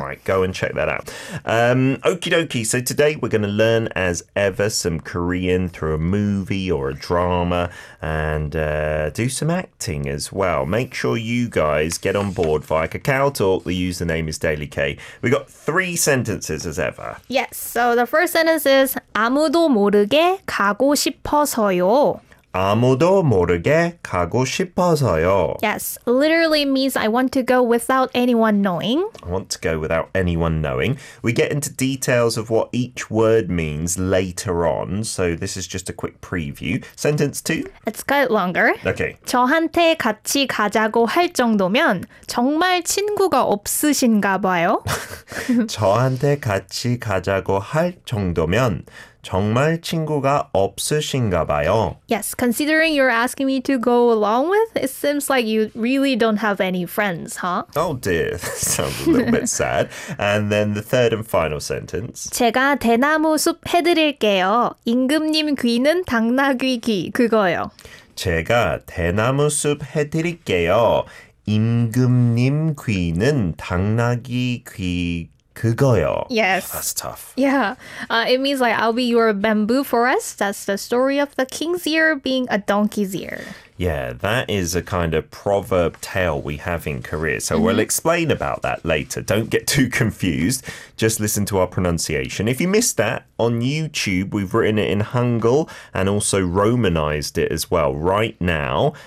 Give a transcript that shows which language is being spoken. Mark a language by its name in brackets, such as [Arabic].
[English] All right, go and check that out. Okie dokie, so today we're going to learn as ever some Korean through a movie or a drama and do some acting as well. Make sure you guys get on board via KakaoTalk. The username is DailyK. We've got three sentences as ever. Yes, so the first sentence is [Korean] 아무도 모르게 가고 싶어서요. 아무도 모르게 가고 싶어서요. [English] Yes, literally means I want to go without anyone knowing. I want to go without anyone knowing. We get into details of what each word means later on. So this is just a quick preview. Sentence two. It's quite longer. Okay. [Korean] 저한테 같이 가자고 할 정도면 정말 친구가 없으신가 봐요. 저한테 같이 가자고 할 정도면 정말 친구가 없으신가 봐요. [English] Yes, considering you're asking me to go along with, it seems like you really don't have any friends, huh? Oh dear, that sounds a little bit sad. And then the third and final sentence. [Korean] 제가 대나무숲 해드릴게요. 임금님 귀는 당나귀귀 그거요. 제가 대나무숲 해드릴게요. 임금님 귀는 당나귀귀 그거요. [English] Yes. That's tough. Yeah. It means like, I'll be your bamboo forest. That's the story of the king's ear being a donkey's ear. Yeah, that is a kind of proverb tale we have in Korea. So we'll explain about that later. Don't get too confused. Just listen to our pronunciation. If you missed that, on YouTube, we've written it in Hangul and also romanized it as well right now.